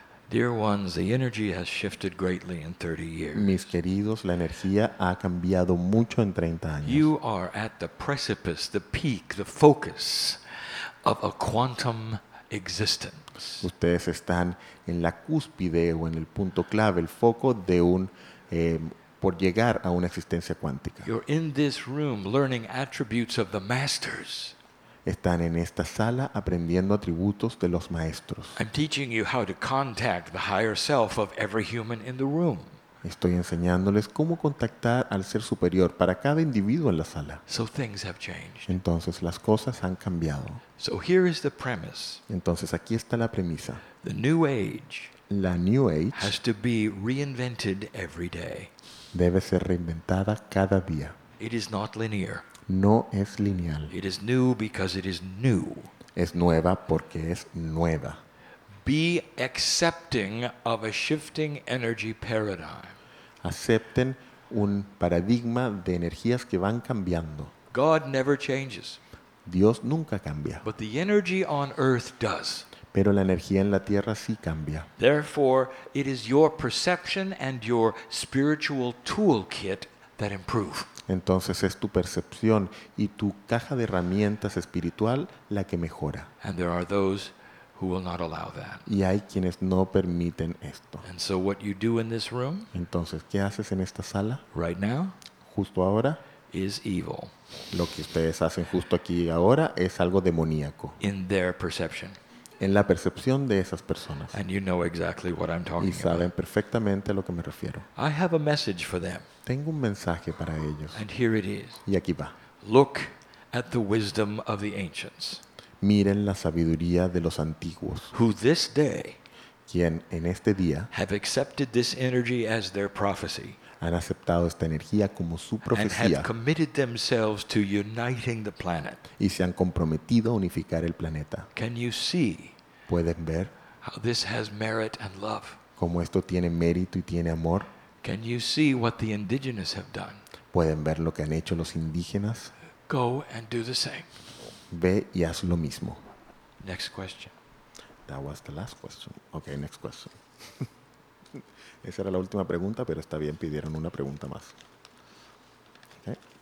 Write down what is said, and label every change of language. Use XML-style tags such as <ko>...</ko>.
<en>Dear ones, the energy has shifted greatly in 30 years.</en> <es>Mis queridos, la energía ha cambiado mucho en 30 años.</es> <en>You are at the precipice, the peak, the focus of a quantum existence.</en> <es>Ustedes están en la cúspide o en el punto clave, el foco de un por llegar a una existencia cuántica.</es> <en>You're in this room learning attributes of the masters.</en> <es>Están en esta sala aprendiendo atributos de los maestros.</es> <en>I'm teaching you how to contact the higher self of every human in the room.</en> <es>Estoy enseñándoles cómo contactar al ser superior para cada individuo en la sala.</es> <en>So things have changed.</en> <es>Entonces las cosas han cambiado.</es> <en>So here is the premise.</en> <es>Entonces aquí está la premisa.</es> <en>The new age.</en> <es>La new age</es> <en>has to be reinvented every day.</en> <es>Debe ser reinventada cada día.</es> <en>It is not linear.</en> <es>No es lineal.</es> <en>It is new because it is new.</en> <es>Es nueva porque es nueva.</es> <en>Be accepting of a shifting energy paradigm.</en> <es>Acepten un paradigma de energías que van cambiando.</es> <en>God never changes.</en> <es>Dios nunca cambia.</es> <en>But the energy on earth does.</en> <es>Pero la energía en la tierra sí cambia.</es> <en>Therefore, it is your perception and your spiritual toolkit that improve.</en> <es>Entonces es tu percepción y tu caja de herramientas espiritual la que mejora.</es> <en>And there are those who will not allow that.</en> <es>Y hay quienes no permiten esto.</es> <en>And so what you do in this room?</en> <es>Entonces, ¿qué haces en esta sala?</es> <en>Right now?</en> <es>Justo ahora.</es> <en>Is evil.</en> <es>Lo que ustedes hacen justo aquí ahora es algo demoníaco.</es> <en>In their perception.</en> <es>En la percepción de esas personas.</es> <en>And you know exactly what I'm talking about.</en> <es>Y saben perfectamente a lo que me refiero.</es> <en>I have a message for them.</en> <es>Tengo un mensaje para ellos.</es> <en>And here it is.</en> <es>Y aquí va.</es> <en>Look at the wisdom of the ancients.</en> <es>Miren la sabiduría de los antiguos.</es> <en>Who this day,</en> <es>quien en este día,</es> <en>have accepted this energy as their prophecy.</en> <es>Han aceptado esta energía como su profecía.</es> <en>And have committed themselves to uniting the planet.</en> <es>Y se han comprometido a unificar el planeta.</es> <en>Can you see?</en> <es>¿Pueden ver?</es> <en>How this has merit and love.</en> <es>¿Cómo esto tiene mérito y tiene amor?</es> <en>Can you see what the indigenous have done?</en> <es>¿Pueden ver lo que han hecho los indígenas?</es> <en>Go and do the same.</en> <es>Ve y haz lo mismo.</es> <en>Next question. That was the last question. Okay, next question.</en> <es>Esa era la última pregunta, pero está bien, pidieron una pregunta más. Okay.</es>